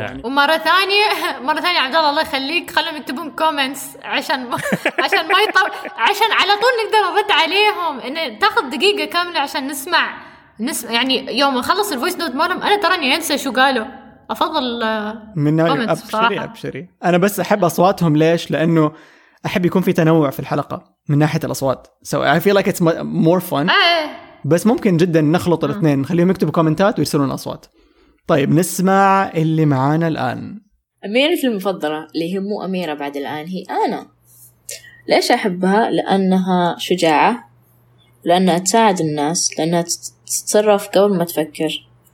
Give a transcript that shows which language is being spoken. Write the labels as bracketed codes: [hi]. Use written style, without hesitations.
[ar] ومرة ثانية عبد الله الله يخليك, خلهم يكتبون كومنتس عشان ما يطول, عشان على طول نقدر نرد عليهم. إن تأخذ دقيقة كاملة عشان نسمع يعني يوم نخلص الفويس نوت مالهم أنا تراني أنسى شو قالوا. أفضل من ناحية أبشري أنا بس أحب أصواتهم. ليش؟ لأنه أحب يكون في تنوع في الحلقة من ناحية الأصوات. [en] So I feel like it's more fun. [ar] بس ممكن جدا نخلط الاثنين, نخليهم يكتبوا كومنتات ويرسلون أصوات. طيب نسمع اللي معانا الآن. أميرتي المفضلة اللي هي مو أميرة بعد الآن, هي أنا. ليش أحبها؟ لأنها شجاعة, لأنها تساعد الناس, لأنها تتصرف قبل ما تفكر.